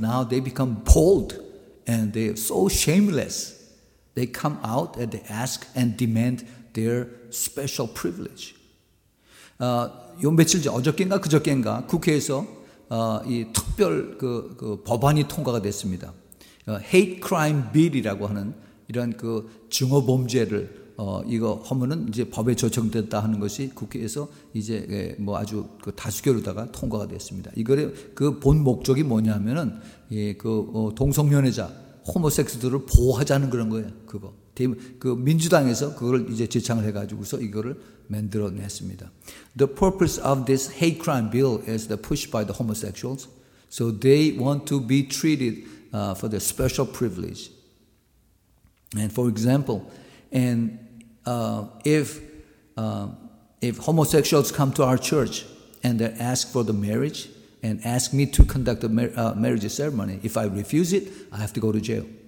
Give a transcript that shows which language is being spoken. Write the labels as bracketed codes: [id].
[en] Now they become bold and they are so shameless. They come out and they ask and demand their special privilege. [ko] 요 며칠 전 어저께인가 그저께인가 국회에서 이 특별 그 법안이 통과가 됐습니다. [en] Hate crime bill [ko] 이라고 하는 이런 그 증오 범죄를 이거 허무는 이제 법에 조정됐다 하는 것이 국회에서 이제 뭐 아주 그 다수결로다가 통과가 됐습니다. 이거의 그 본 목적이 뭐냐면은 예, 그 동성연애자 호모섹스들을 보호하자는 그런 거예요. 그거 그 민주당에서 그걸 이제 제창을 해가지고서 이거를 만들어냈습니다. [en] The purpose of this hate crime bill is the push by the homosexuals, so they want to be treated for their special privilege. And for example. And if homosexuals come to our church and they ask for the marriage and ask me to conduct a marriage ceremony, if I refuse it, I have to go to jail.